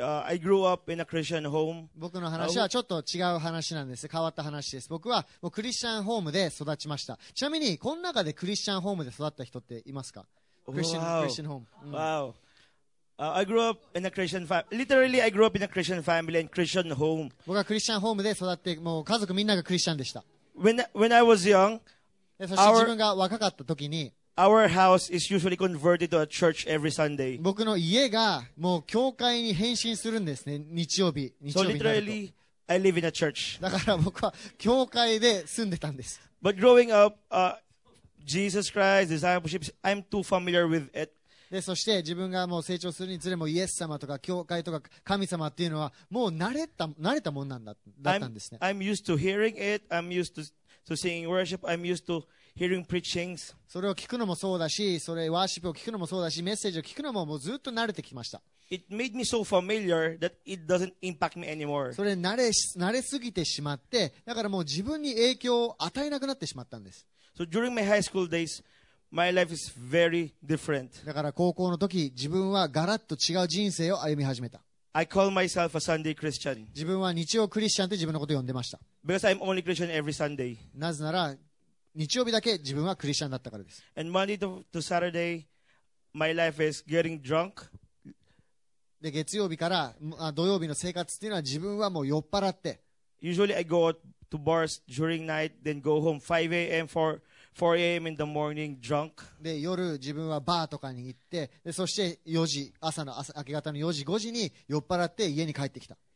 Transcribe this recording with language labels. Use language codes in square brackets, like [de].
[en] I grew up in a Christian home. [ja] 僕の話はちょっと違う話なんです。変わった話です。僕はもうクリスチャンホームで育ちました。ちなみにこの中でクリスチャンホームで育った人っていますか？クリスチャンホーム。 [en] Wow. I grew up in a Christian family. Literally, I grew up in a Christian family and Christian home. [ja] 僕はクリスチャンホームで育って、もう家族みんながクリスチャンでした。 [en] When I was young. [ja] そして自分が若かった時に [en] our house is usually converted to a church every Sunday. [ja] 僕の家がもう教会に変身するんですね、日曜日になると。 [en] So literally, I live in a church. [ja] だから僕は教会で住んでたんです。 [en] But growing up, Jesus Christ, discipleship, I'm too familiar with it. [ja] でそして自分がもう成長するにつれもイエス様とか教会とか神様っていうのはもう慣れたもんなんだったんですね。 [en] I'm used to hearing it. I'm used to singing worship, I'm used to hearing preachings. [ja] それを聞くのもそうだし、それワーシップを聞くのもそうだし、メッセージを聞くのももうずっと慣れてきました。 [en] It made me so familiar that it doesn't impact me anymore. [ja] それ慣れすぎてしまって、だからもう自分に影響を与えなくなってしまったんです。 [en] So during my high school days, my life is very different. [ja] だから高校の時、自分はガラッと違う人生を歩み始めた。 [en] I call myself a Sunday Christian. [ja] 自分は日曜クリスチャンって自分のこと呼んでました。 [en] Because I'm only Christian every Sunday. [ja] なぜなら日曜日だけ自分はクリスチャンだったからです。 [en] And Monday to Saturday, my life is getting drunk. [ja] で月曜日から土曜日の生活っていうのは自分はもう酔っ払って。 [en] Usually I go out to bars during night, then go home 5 a.m. for 4 a.m. in the morning, drunk. [ja] で夜自分はバーとかに行って、でそして4時朝の朝明け方の4時5時に酔っ払って家に帰ってきた。